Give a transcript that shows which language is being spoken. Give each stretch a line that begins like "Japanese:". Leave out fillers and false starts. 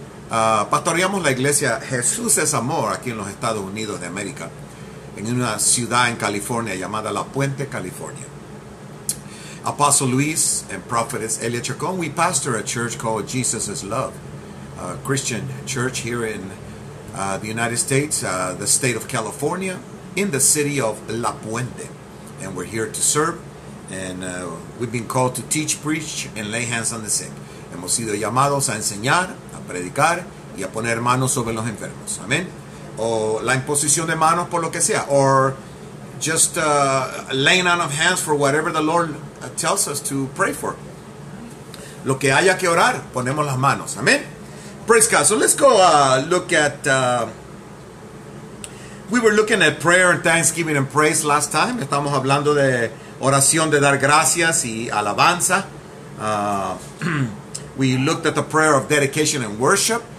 Spanish: Pastoreamos la iglesia Jesús es Amor aquí en los Estados Unidos de América, en una ciudad en California llamada La Puente, California.
English: Apostle Luis and Prophetess Elia Chacon, we pastor a church called Jesus is Love, a Christian church here in the United States, the state of California, in the city of La Puente. And we're here to serve, and we've been called to teach, preach, and lay hands on the sick.
Spanish: Hemos sido llamados a enseñar, a predicar, y a poner manos sobre los enfermos. Amén. O la imposición de manos por lo que sea,
English: or just laying on of hands for whatever the Lord tells us to pray for.
Spanish: Lo que haya que orar, ponemos las manos.
English: Amén. Praise God. So let's go look at, we were looking at prayer and thanksgiving and praise last time.
Spanish: Estamos hablando de oración de dar gracias y alabanza.
English: We looked at the prayer of dedication and worship.